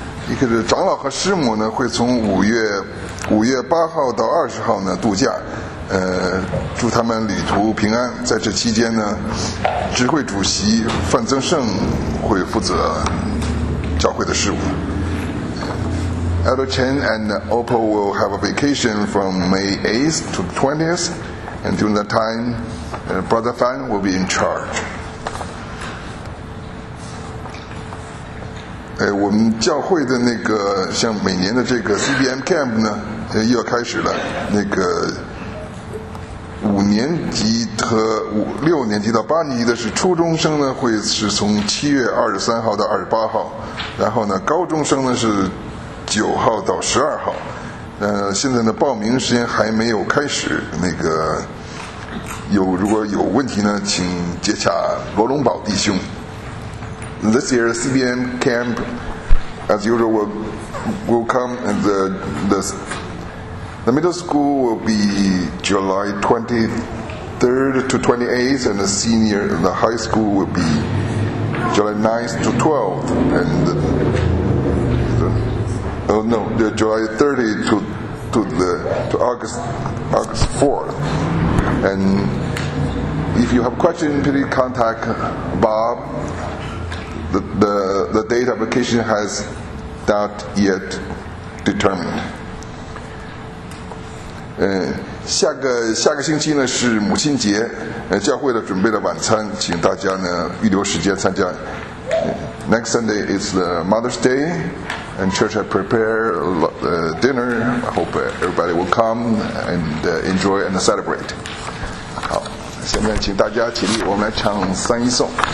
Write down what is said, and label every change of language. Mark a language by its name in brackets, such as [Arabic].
[Chinese] 一个是长老和师母呢会从5月8号到20号呢度假，祝他们旅途平安。在这期间呢，执会主席范增胜会负责教会的事务。 [English] Elder Chen and Opal will have a vacation from May 8th to 20th, and during that time, Brother Fan will be in charge. [Chinese] 我们教会的那个像每年的这个 CBM Camp 呢又要开始了，那个6年级到8年级的是初中生呢会是从7月23号到28号，然后呢高中生呢是9号到12号，现在的报名时间还没有开始，那个有如果有问题呢请接洽罗龙宝弟兄。 [English] This year, CBM Camp, as usual, will come, and the middle school will be July 23rd to 28th, and the high school will be July 9th to 12th, and July 30th to August 4th. And if you have questions, please contact Bob. The date application has not yet determined. [Chinese] 下个星期呢是母亲节，教会呢准备了晚餐，请大家呢预留时间参加。 [English] Next Sunday is the Mother's Day, and church has prepared dinner. I hope everybody will come and enjoy and celebrate. [Chinese] 好，现在请大家起立，我们来唱三一颂。